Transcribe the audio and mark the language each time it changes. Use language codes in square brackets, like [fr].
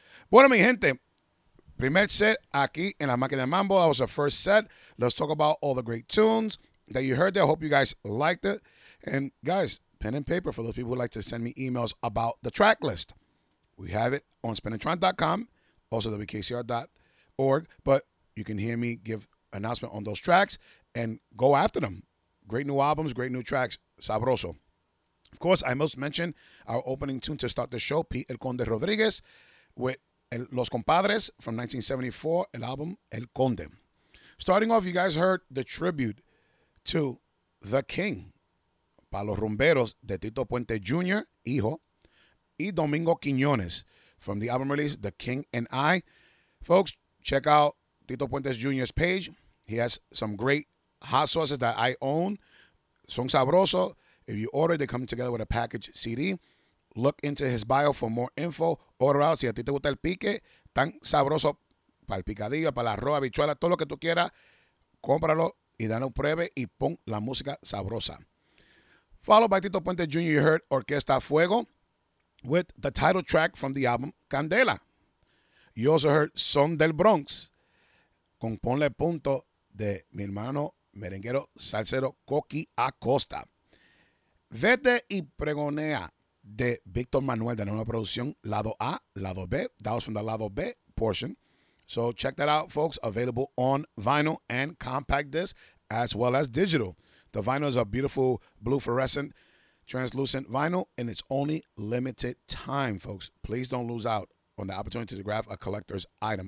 [es] Bueno, mi gente, primer set aquí en La Máquina de Mambo. [en] That was the first set. Let's talk about all the great tunes that you heard there. I hope you guys liked it. And guys, pen and paper for those people who like to send me emails about the track list. We have it on spinatron.com, also WKCR.org. But you can hear me give announcement on those tracks and go after them. Great new albums, great new tracks. Sabroso. Of course, I must mention our opening tune to start the show, Pete El Conde Rodriguez with Los Compadres from 1974, el album El Conde. Starting off, you guys heard the tribute to the King, Palo Rumberos, de Tito Puente Jr., [es] hijo, y [en] Domingo Quiñones from the album release The King and I. Folks, check out Tito Puente Jr.'s page. He has some great hot sauces that I own. [es] Son sabroso. [en] If you order, they come together with a package CD. Look into his bio for more info. Order out. [es] Si a ti te gusta el pique, tan sabroso para el picadillo, para la arroz, habichuela, todo lo que tú quieras, cómpralo y dale un pruebe y pon la música sabrosa. [en] Followed by Tito Puente Jr., you heard Orquesta Fuego with the title track from the album Candela. You also heard Son del Bronx con Ponle Punto [es] de mi hermano merenguero salsero [en] Coqui Acosta. [es] Vete y Pregonea de Víctor Manuel de la nueva producción Lado A, Lado B. [en] That was from the Lado B portion. So check that out, folks. Available on vinyl and compact disc as well as digital. The vinyl is a beautiful blue fluorescent translucent vinyl and it's only limited time, folks. Please don't lose out on the opportunity to grab a collector's item.